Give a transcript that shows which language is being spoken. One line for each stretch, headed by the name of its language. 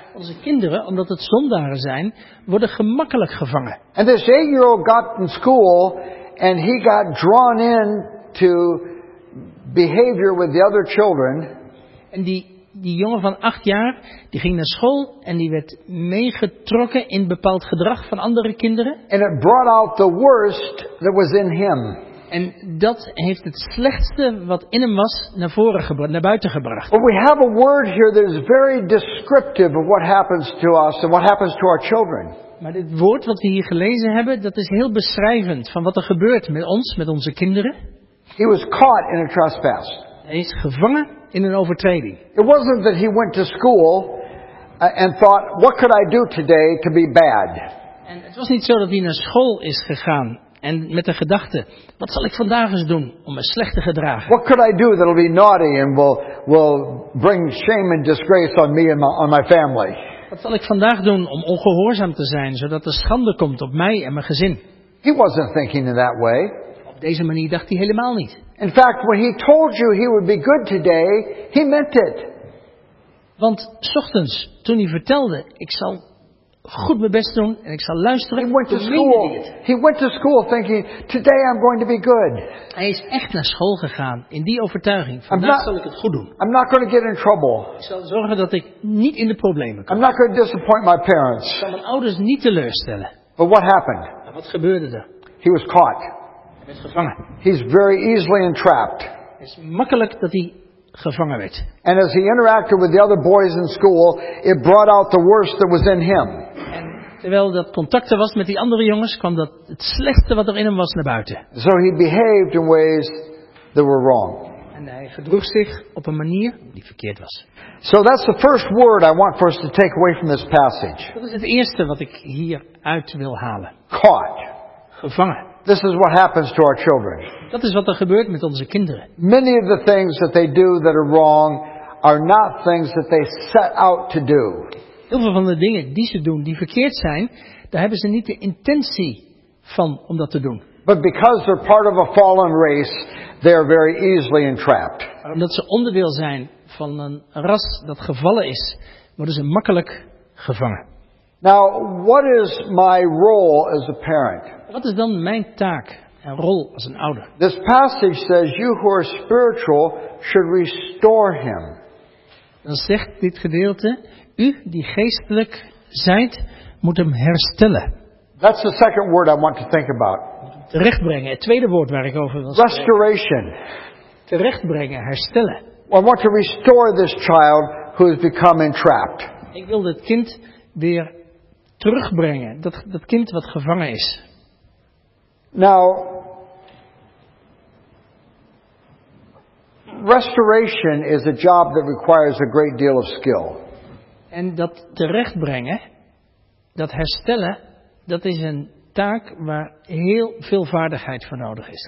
Dutch: Onze kinderen, omdat het zondaren zijn, worden gemakkelijk gevangen.
English: And this 8-year-old got in school and he got drawn in to behavior with the other children.
Dutch: En die jongen van 8 jaar, die ging naar school en die werd meegetrokken in bepaald gedrag van andere kinderen.
English: And it brought out the worst that was in him.
Dutch: En dat heeft het slechtste wat in hem was naar voren gebracht, naar buiten gebracht.
English: But we have a word here that is very descriptive of what happens to us and what happens to our children.
Dutch: Maar dit woord wat we hier gelezen hebben, dat is heel beschrijvend van wat er gebeurt met ons, met onze kinderen.
English: He was caught in a trespass.
Dutch: Hij is gevangen in een overtreding.
English: It wasn't that he went to school and thought, what could I do today to be bad?
Dutch: En het was niet zo dat hij naar school is gegaan en met de gedachte, wat zal ik vandaag eens doen om me slecht te gedragen?
English: What could I do that will be naughty and will bring shame and disgrace on me and on my family?
Dutch: Wat zal ik vandaag doen om ongehoorzaam te zijn, zodat er schande komt op mij en mijn gezin?
English: He wasn't thinking in that way.
Dutch: Op deze manier dacht hij helemaal niet.
English: In fact, when he told you he would be good today, he meant it.
Dutch: Want 's ochtends, toen hij vertelde, ik zal goed mijn best doen en ik zal luisteren.
English: He went to school thinking, today I'm going to be good.
Dutch: Hij is echt naar school gegaan in die overtuiging. Vandaag zal ik het goed doen.
English: I'm not going to get in trouble.
Dutch: Ik zal zorgen dat ik niet in de problemen kom.
English: I'm not going to disappoint my parents.
Dutch: Ik zal mijn ouders niet teleurstellen.
English: But what happened?
Dutch: En wat gebeurde er?
English: He was caught.
Dutch: Hij werd gevangen.
English: He's very easily entrapped.
Dutch: Het is makkelijk dat hij gevangen werd.
English: And as he interacted with the other boys in school, it brought out the worst that was in him.
Dutch: En terwijl dat contacten was met die andere jongens, kwam dat het slechtste wat er in hem was naar buiten.
English: So he behaved in ways that were wrong.
Dutch: En hij gedroeg zich op een manier die verkeerd was.
English: So that's the first word I want for us to take away from this passage.
Dutch: Dat is het eerste wat ik hier uit wil halen.
English: Caught.
Dutch: Gevangen.
English: This is what happens to our children.
Dutch: Dat is wat er gebeurt met onze kinderen.
English: Many of the things that they do that are wrong are not things that they set out to do.
Dutch: Heel veel van de dingen die ze doen die verkeerd zijn, daar hebben ze niet de intentie van om dat te doen.
English: But because they're part of a fallen race, they are very easily entrapped.
Dutch: Omdat ze onderdeel zijn van een ras dat gevallen is, worden ze makkelijk gevangen.
English: Now, what is my role as a parent?
Dutch: Wat is dan mijn taak en rol als een ouder?
English: This passage says, you who are spiritual should restore him.
Dutch: Dan zegt dit gedeelte, u die geestelijk zijt, moet hem herstellen.
English: That's the second word I want to think about.
Dutch: Terechtbrengen, het tweede woord waar ik over wil spreken.
English: Restoration.
Dutch: Terechtbrengen, herstellen.
English: I want to restore this child who has become entrapped.
Dutch: Ik wil dat kind weer terugbrengen, dat kind wat gevangen is.
English: Now, restoration is a job that requires a great deal of skill.
Dutch: En dat terechtbrengen, dat herstellen, dat is een taak waar heel veel vaardigheid voor nodig is.